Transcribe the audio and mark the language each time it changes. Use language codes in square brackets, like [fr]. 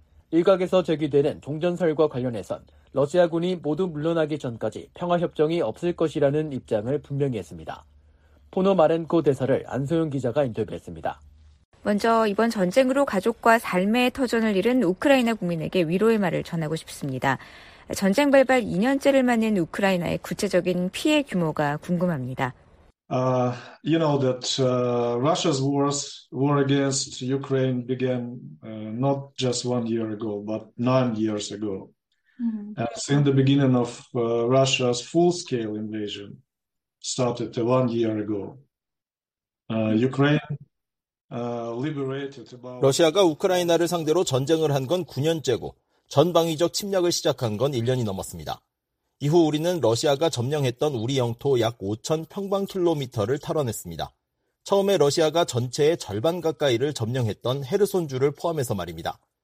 [ko] 일각에서 제기되는 종전설과 관련해선 러시아군이 모두 물러나기 전까지 평화협정이 없을 것이라는 입장을 분명히 했습니다. 포노마렌코 대사를 안소영 기자가 인터뷰했습니다. 먼저 이번 전쟁으로 가족과 삶의 터전을 잃은 우크라이나 국민에게 위로의 말을 전하고 싶습니다. 전쟁 발발 2년째를 맞는 우크라이나의 구체적인 피해 규모가 궁금합니다. [en] You know that Russia's war against Ukraine began not just 1 year ago, but 9 years ago. And since the beginning of Russia's full-scale invasion started 1 year ago, Ukraine liberated about. [ko] 러시아가 우크라이나를 상대로 전쟁을 한 건 9년째고 전방위적 침략을 시작한 건 1년이 넘었습니다. 이후 우리는 러시아가 점령했던 우리 영토 약 5천 평방킬로미터를 탈환했습니다. 처음에 러시아가 전체의 절반 가까이를 점령했던 헤르손주를 포함해서 말입니다.